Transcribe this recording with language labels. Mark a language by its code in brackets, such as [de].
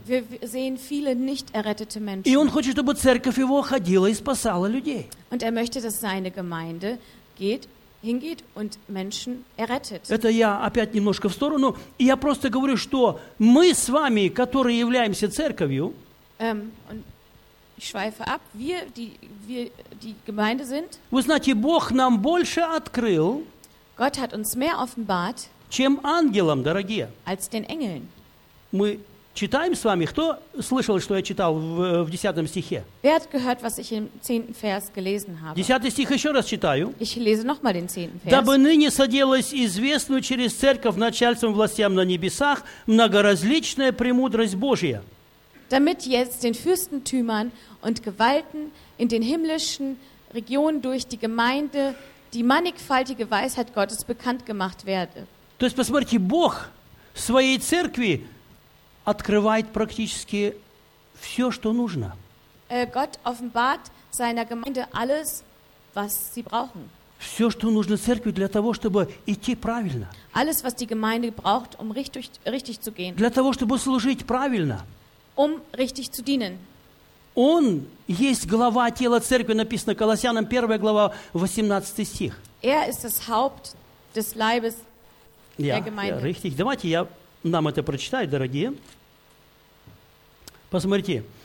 [de] Wir sehen viele nicht errettete Menschen. [ru] И он хочет, чтобы церковь его ходила и спасала людей. [de] Und er möchte, dass seine Gemeinde hingeht und Menschen errettet. [ru] Это я опять немножко в сторону. И я просто говорю, что мы с вами, которые являемся церковью, [de] und ich schweife ab, wir, die Gemeinde sind, [ru] вы знаете, Бог нам больше открыл, [de] Gott hat uns mehr offenbart, [ru] чем ангелам, дорогие. [de] Als den Engeln. [ru] Мы читаем с вами, кто слышал, что я читал в 10 стихе? [de] Wer hat gehört, was ich im 10. Vers gelesen habe? [ru] 10 стих еще раз читаю. [de] Ich lese noch mal den 10. Vers. [ru] Дабы ныне соделалось известную через церковь начальством властям на небесах многоразличная премудрость Божия. [de] Damit jetzt den Fürstentümern und Gewalten in den himmlischen Regionen durch die Gemeinde die mannigfaltige Weisheit Gottes bekannt gemacht werde. [ru] То есть, посмотрите, Бог в своей церкви открывает практически все, что нужно. [de] Gott offenbart seiner Gemeinde alles, was sie brauchen. [ru] Все, что нужно церкви для того, чтобы идти правильно. [de] Alles, was die Gemeinde braucht, um richtig zu gehen. [ru] Для того, чтобы служить правильно. [de] Um richtig zu dienen. [ru] Он есть глава тела церкви, написано Колоссянам 1 глава, 18 стих. [de] Er ist das Haupt des Leibes. Ja, richtig. [ru] Давайте я нам это прочитаю, дорогие. Посмотрите.